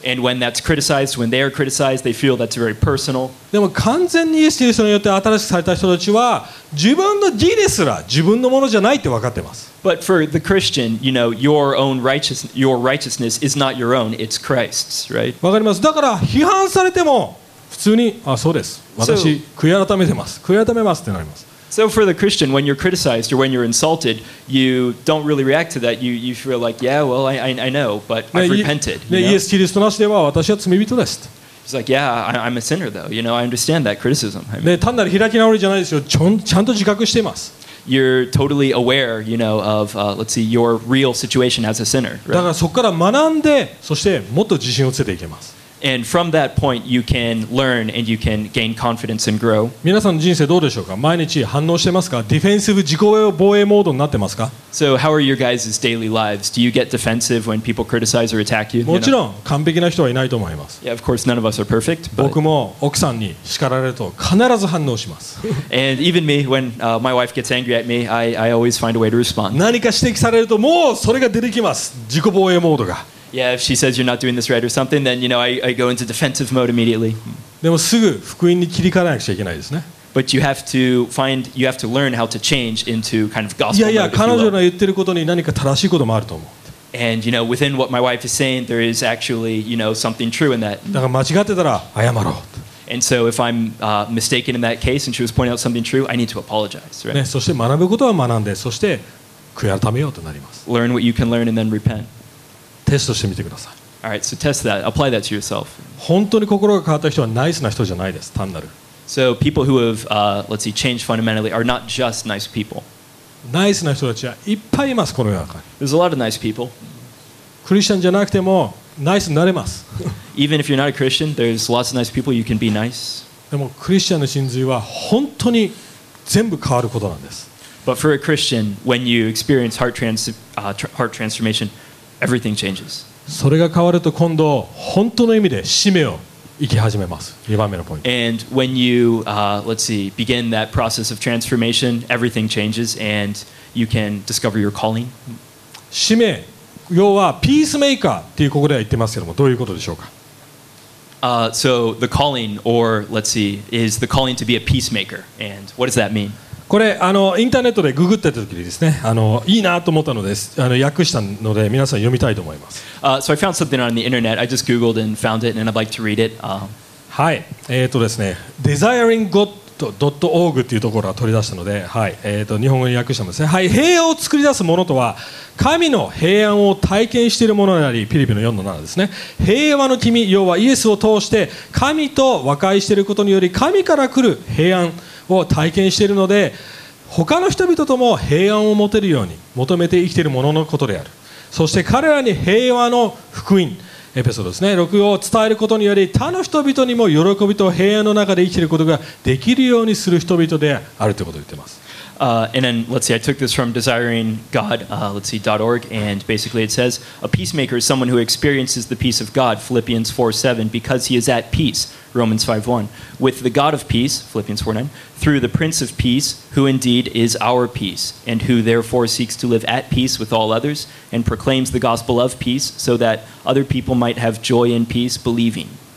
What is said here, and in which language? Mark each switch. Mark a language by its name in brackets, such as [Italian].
[English] And when that's criticized, when they are criticized, they feel that's very personal. [Japanese] でも完全にイエス・キリストによって新しくされた人たちは自分の義ですら自分のものじゃないって分かってます。 [English] But for the Christian, you know, your righteousness is not your own, it's Christ's, right? [Japanese] わかります。だから批判されても普通に、あ、そうです。私、悔い改めてます。悔い改めますってなります。 [English] So for the Christian, when you're criticized or when you're insulted, you don't really react to that. You feel like, yeah, well, I know, but I've repented. [Japanese] ね、イエス・キリストなしでは私は罪人です。 [English] He's like, yeah, I'm a sinner though. You know, I understand that criticism. I mean, [Japanese] ね、単なる開き直りじゃないですよ。ちゃんと自覚しています。 [English] You're totally aware, you know, of, let's see, your real situation as a sinner. [Japanese] だからそこから学んで、そしてもっと自信をつけていけます。 [English] And from that point, you can learn and you can gain confidence and grow. [Japanese] 皆さんの人生どうでしょうか?毎日反応してますか?ディフェンシブ自己防衛モードになってますか? [English] So how are your guys' daily lives? Do you get defensive when people criticize or attack you? [Japanese] もちろん完璧な人はいないと思います。 [English] Yeah, of course, none of us are perfect. [Japanese] 僕も奥さんに叱られると必ず反応します。 [English] And even me, when my wife gets angry at me, I always find a way to respond. [Japanese] 何か指摘されるともうそれが出てきます。自己防衛モードが。 [English] Yeah, if she says you're not doing this right or something, then you know I go into defensive mode immediately. [Japanese] でもすぐ福音に切り替えなくちゃいけないですね。 [English] But you have to learn how to change into kind of gospel mode. [Japanese] いやいや、彼女の言ってることに何か正しいこともあると思う。 [English] And you know, within what my wife is saying, there is actually you know something true in that. [Japanese] だから間違ってたら謝ろう。 [English] And so if I'm mistaken in that case and she was pointing out something true, I need to apologize. Right? [Japanese] ね、そして学ぶことは学んで、そして悔い改めようとなります。 [English] Learn what you can learn and then repent. [Japanese] テストしてみてください。 [English] All right, so test that. Apply that to yourself. [Japanese] 本当に心が変わった人はナイスな人じゃないです。単なる。 [English] So people who have, let's see, changed fundamentally are not just nice people. [Japanese] ナイスな人たちはいっぱいいます、この世の中に。 [English] There's a lot of nice people. [Japanese] クリスチャンじゃなくてもナイスになれます。 [English] Even if you're not a Christian, there's lots of nice people you can be nice. [Japanese] でもクリスチャンの真髄は本当に全部変わることなんです。 [English] But for a Christian, when you experience heart transformation,Everything changes. [Japanese] それが変わると今度本当の意味で使命を生き始めます。 2番目のポイント。 [English] And when you, let's see, begin that process of transformation, everything changes and you can discover your calling. [Japanese] 使命、要はピースメーカーっていうここでは言ってますけども、どういうことでしょうか? [English] So the calling, or let's see, is the calling to be a peacemaker. And what does that mean? [Japanese] これインターネットでググってた時にですね、いいなと思ったのです。訳したので皆さん読みたいと思います。 [English] So I found something on the internet. I just googled and found it, and I'd like to read it. [Japanese] はい、ですね、desiringgod.org っていうところを取り出したので、はい、日本語に訳したんですね。はい、平和を作り出すものとは神の平安を体験しているものであり、ピリピの4の7ですね。平和の君、要はイエスを通して神と和解していることにより神から来る平安。を体験しているので他の人々とも平安を持てるように求めて生きているもののことであるそして彼らに平和の福音エピソードですね6を伝えることにより他の人々にも喜びと平安の中で生きていることができるようにする人々であるということを言っています [English] And then, let's see, I took this from DesiringGod, .org, and basically it says, a peacemaker is someone who experiences the peace of God, Philippians 4:7, because he is at peace, Romans 5:1, with the God of peace, Philippians 4:9, through the Prince of Peace, who indeed is our peace, and who therefore seeks to live at peace with all others, and proclaims the gospel of peace, so that other people might have joy and peace believing.